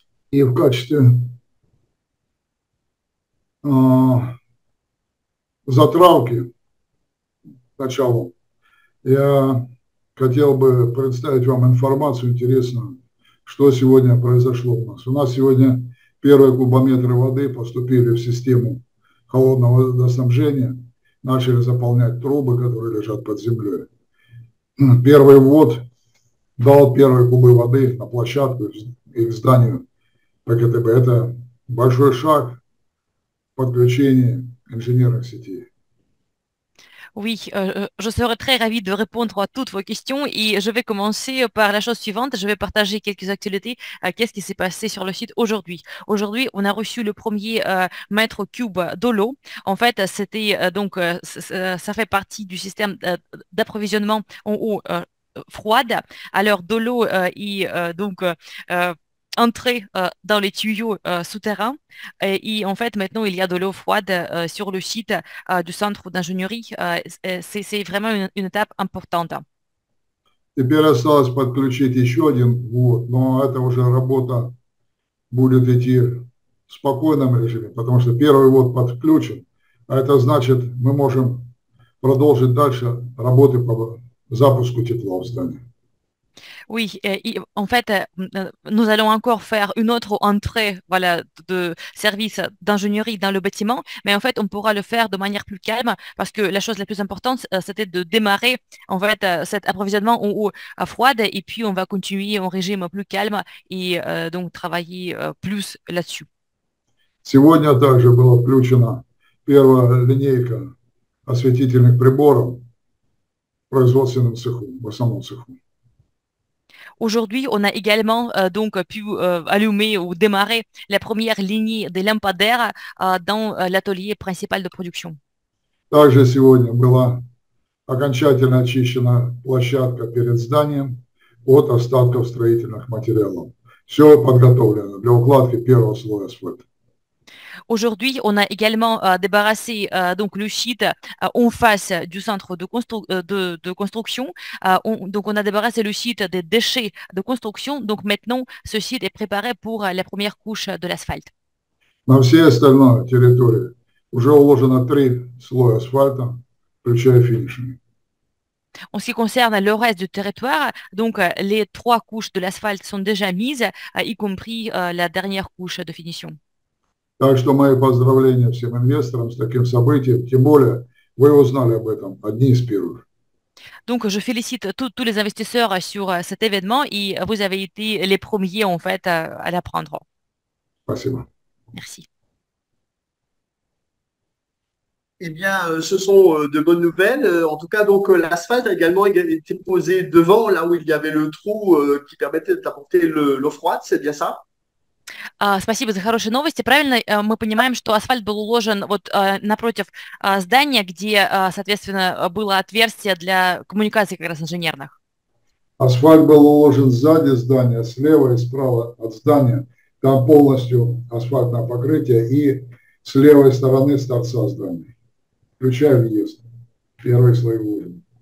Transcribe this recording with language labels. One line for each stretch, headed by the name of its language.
Russian: И в качестве затравки сначала я хотел бы представить вам информацию интересную, что сегодня произошло у нас. У нас сегодня первые кубометры воды поступили в систему холодного водоснабжения, начали заполнять трубы, которые лежат под землей. Первый ввод дал первые кубы воды на площадку и к зданию ПКТБ. Это большой шаг в подключении инженерных сетей.
French: Oui, je serai très ravie de répondre à toutes vos questions et je vais commencer par la chose suivante. Je vais partager quelques actualités. Qu'est-ce qui s'est passé sur le site aujourd'hui? Aujourd'hui, on a reçu le premier mètre cube d'eau l'eau. En fait, c'était donc ça fait partie du système d'approvisionnement en eau froide. Alors, de l'eau est donc entrée dans les tuyaux souterrains. Et en fait, maintenant, il y a de l'eau froide sur le site du centre d'ingénierie. C'est vraiment une étape importante.
Russian: Теперь осталось подключить еще один ввод, но это уже работа будет идти в спокойном режиме, потому что первый ввод подключен, а это значит, мы можем продолжить дальше работы по запуску тепла в здании.
French: Oui, et en fait, nous allons encore faire une autre entrée, voilà, de service d'ingénierie dans le bâtiment, mais en fait, on pourra le faire de manière plus calme parce que la chose la plus importante, c'était de démarrer en fait cet approvisionnement en eau froide et puis on va continuer en régime plus calme et donc travailler plus là-dessus.
Russian: Сегодня также была включена первая линейка осветительных приборов в производственном цеху, в основном цеху.
French: Aujourd'hui, on a également donc pu allumer ou démarrer la première ligne des lampadaires dans l'atelier principal de production.
Russian: Также сегодня была окончательно очищена площадка перед зданием от остатков строительных материалов. Все подготовлено для укладки первого слоя асфальта.
French: Aujourd'hui, on a également débarrassé donc le site en face du centre de construction. Donc, on a débarrassé le site des déchets de construction. Donc, maintenant, ce site est préparé pour la première couche de l'asphalte.
Russian: На всей остальной территории уже уложено 3 слоя асфальта, включая финишные.
French: En ce qui concerne le reste du territoire, donc les 3 couches de l'asphalte sont déjà mises, y compris la dernière couche de finition.
Russian: Так что мои поздравления всем инвесторам с таким событием, тем более вы узнали об этом одни из первых.
French: Donc, je félicite tous les investisseurs sur cet événement et vous avez été les premiers, en fait, à l'apprendre.
Russian: Спасибо.
French: Merci. Eh bien, ce sont de bonnes nouvelles. En tout cas, donc, l'asphalte a également été posé devant, là où il y avait le trou qui permettait d'apporter l'eau froide, c'est bien ça?
Russian: Спасибо за хорошие новости. Правильно, мы понимаем, что асфальт был уложен вот напротив здания, где, соответственно, было отверстие для коммуникации как раз инженерных. Асфальт был уложен сзади здания, слева и справа от здания. Там полностью асфальтное покрытие и с левой стороны с торца здания. Включая въезд. Первый слой воли.